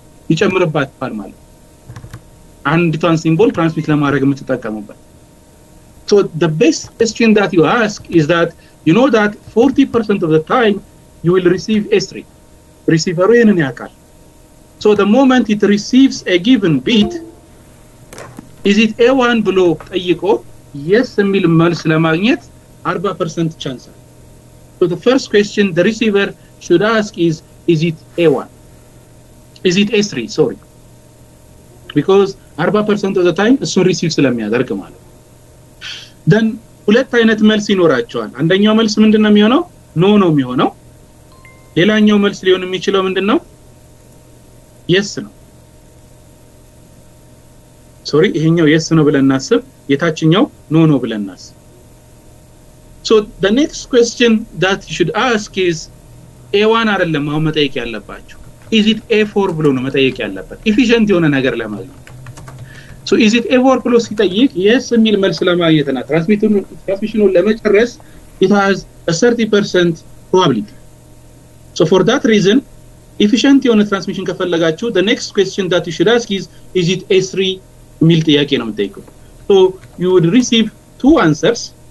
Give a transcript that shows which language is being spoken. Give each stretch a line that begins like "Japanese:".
Amharic: ይጨምርባችኋል ማለት አንድ ቷን ሲምቦል ትራንስሚት ለማድረግ የምትጠቀሙበት
English: so the best question that you ask is that you know that 40% of the time you will receive A3
Amharic: receiver-ው ይሄንን ያውቃል
English: so the moment it receives a given bit is it A1
Amharic: ብሎ ጠይቆ
English: yes
Amharic: የሚል መልስ ለማግኘት
English: 40% chance. So the first question the receiver should ask is it A1? Is it A3? Sorry. Because 40% of the time it's not received
Amharic: ስለሚያደርግ ማለት. Then ሁለት አይነት መልስ ይኖራቸዋል. አንደኛው መልስ ምንድነው የሚሆነው? No ነው የሚሆነው. ሌላኛው መልስ ሊሆን የሚችለው ምንድነው? Yes ነው. Sorry, ይሄኛው yes ነው ብለን እናስብ. የታችኛው no ነው ብለን እናስብ.
English: So the next question that you should ask is A1
Amharic: አይደለም አሁን መጠየቅ ያለባችሁ
English: is it A4 ብሎ ነው መጠየቅ ያለበት efficient የሆነ ነገር ለማግኘት so is it A4
Amharic: ብሎ ሲጠይቅ
English: yes
Amharic: የሚል መልስ ለማግኘትና
English: transmission ለመጨረስ it has a 30% probability so for that reason efficient የሆነ transmission ከፈለጋችሁ the next question that you should ask is it A3
Amharic: የሚል ጥያቄ ነው የምጠይቀው
English: so you would receive two answers